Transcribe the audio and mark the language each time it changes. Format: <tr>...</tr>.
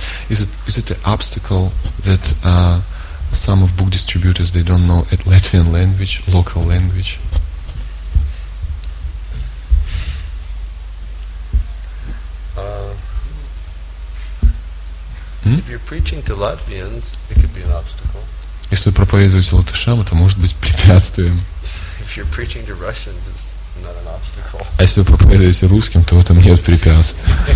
<en>Is it an obstacle that some of book distributors, they don't know at Latvian language, local language? If you're preaching to Latvians, it could be an obstacle.</en> <ru>Если проповедуете латышам, это может быть препятствием.</ru> <en>If you're preaching to Russians, it's not an obstacle.</en> <ru>А если вы проповедуете русским, то в этом нет препятствий.</ru>